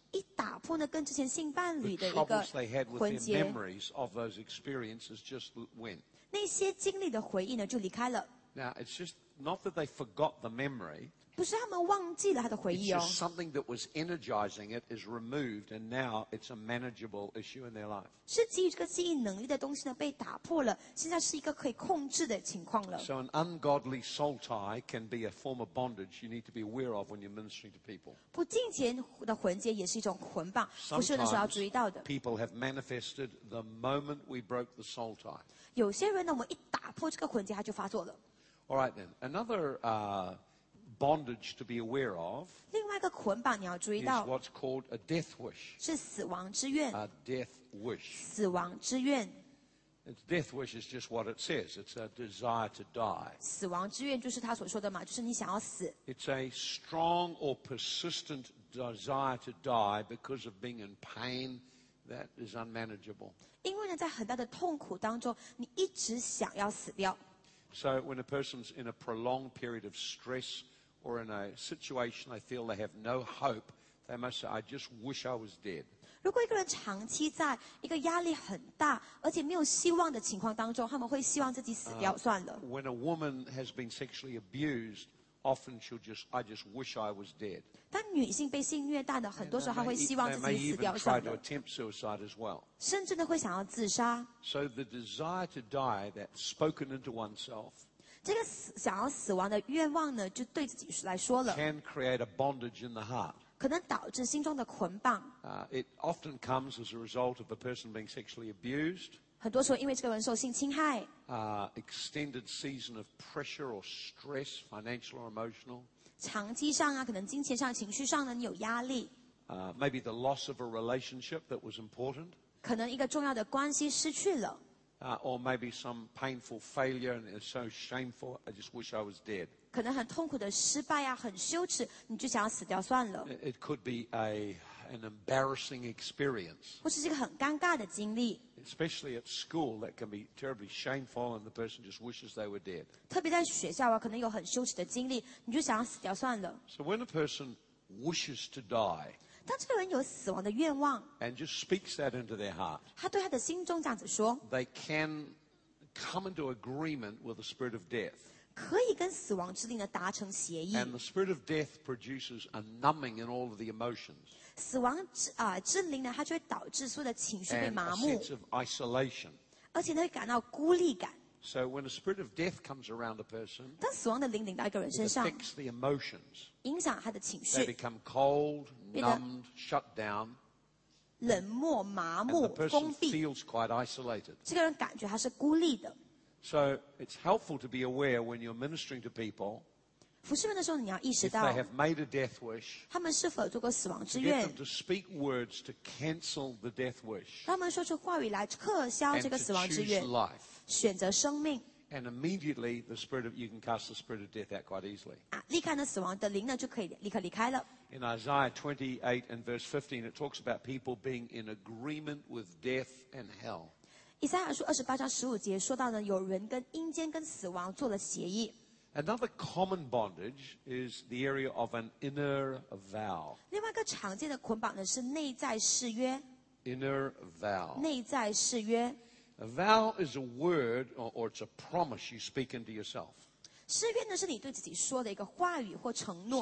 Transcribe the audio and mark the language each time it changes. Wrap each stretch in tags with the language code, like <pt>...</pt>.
<zh>一打破呢，跟之前性伴侣的一个婚结。</zh> <en>The troubles they had with their memories of those experiences just went.</en> <zh>那些经历的回忆呢，就离开了。</zh> <en>Now it's just not that they forgot the memory.</en> <zh>不是他们忘记了他的回忆哦。</zh> <en>It's just something that was energizing it is removed, and now it's a manageable issue in their life.</en> <zh>是基于这个记忆能力的东西呢被打破了，现在是一个可以控制的情况了。</zh> <en>So an ungodly soul tie can be a form of bondage you need to be aware of when you're ministering to people.</en> <zh>不敬虔的魂结也是一种捆绑，不是有的时候要注意到的。</zh> <en>People have manifested the moment we broke the soul tie.</en> <zh>有些人呢，我们一打破这个魂结，他就发作了。</zh> <en>All right then, another bondage to be aware of</en> <zh>另外一个捆绑你要注意到</zh> <en>is what's called a death wish.</en> <zh>是死亡之愿。</zh> <en>A death wish.</en> <zh>死亡之愿。</zh> <en>It's death wish is just what it says. It's a desire to die.</en> <zh>死亡之愿就是他所说的嘛，就是你想要死。</zh> <en>It's a strong or persistent desire to die because of being in pain that is unmanageable.</en> <zh>因为呢，在很大的痛苦当中，你一直想要死掉。</zh> <en>So when a person's in a prolonged period of stress or in a situation they feel they have no hope, they must say, I just wish I was dead.</en> <zh>如果一个人长期在一个压力很大而且没有希望的情况当中他们会希望自己死掉算了、</zh> <en>When a woman has been sexually abused, often she'll just, I just wish I was dead.</en> <zh>当女性被性虐待的很多时候她会希望自己死掉算了</zh> <en>They may even try to attempt suicide as well.</en> <zh>甚至呢会想要自杀</zh> <en>So the desire to die that's spoken into oneself</en> <zh>这个想要死亡的愿望呢就对自己来说了</zh> <en>can create a bondage in the heart.</en> <zh>可能导致心中的捆绑。</zh> <en>It often comes as a result of a person being sexually abused.</en> <zh>很多时候因为这个人受性侵害。</zh> <en>Extended season of pressure or stress, financial or emotional.</en> <zh>长期上啊，可能金钱上、情绪上呢，你有压力。</zh> <en>Maybe the loss of a relationship that was important.</en> <zh>可能一个重要的关系失去了。</zh> <en>Or maybe some painful failure and it's so shameful, I just wish I was dead.</en> <zh>可能很痛苦的失败啊，很羞耻，你就想要死掉算了。</zh> <en>It could be an embarrassing experience.</en> <zh>或是一个很尴尬的经历。</zh> <en>Especially at school, that can be terribly shameful, and the person just wishes they were dead.</en> <zh>特别在学校啊，可能有很羞耻的经历，你就想要死掉算了。</zh> <en>So when a person wishes to die,</en> <zh>当这个人有死亡的愿望</zh> <en>，and just speaks that into their heart,</en> <zh>他对他的心中这样子说</zh> <en>，they can come into agreement with the spirit of death.</en> <zh>可以跟死亡之灵的达成协议。</zh> <en>And the spirit of death produces a numbing in all of the emotions.</en> <zh>死亡之灵呢，它就会导致所有的情绪被麻木。</zh> <en>And a sense of isolation.</en> <zh>而且呢，会感到孤立感。</zh> <en>So when the spirit of death comes around a person,</en> <zh>当死亡的灵临到一个人身上</zh> <en>，it affects the emotions.</en> <zh>影响他的情绪。</zh> <en>They become cold, numbed, shut down.</en> <zh>冷漠、麻木、封闭。</zh> <en>And the person feels quite isolated.</en> <zh>这个人感觉他是孤立的。</zh> <en>So it's helpful to be aware when you're ministering to people.</en> <zh>服侍们的时候，你要意识到</zh> <en>if they have made a death wish.</en> <zh>他们是否有做过死亡之愿</zh> <en>to get them to speak words to cancel the death wish.</en> <zh>让他们说出话语来撤销这个死亡之愿</zh> <en>And to choose life.</en> <zh>选择生命</zh> <en>And immediately the spirit of you can cast the spirit of death out quite easily.</en> <zh>离开了死亡的灵呢，就可以立刻离开了</zh> <en>In Isaiah 28 and verse 15, it talks about people being in agreement with death and hell.</en> <zh>以赛亚书二十八章十五节说到呢，有人跟阴间跟死亡做了协议。</zh> <en>Another common bondage is the area of an inner vow.</en> <zh>另外一个常见的捆绑呢是内在誓约。</zh> <en>Inner vow.</en> <zh>内在誓约。</zh> <en>A vow is a word or it's a promise you speak into yourself.</en> <zh>誓约呢是你对自己说的一个话语或承诺。</zh>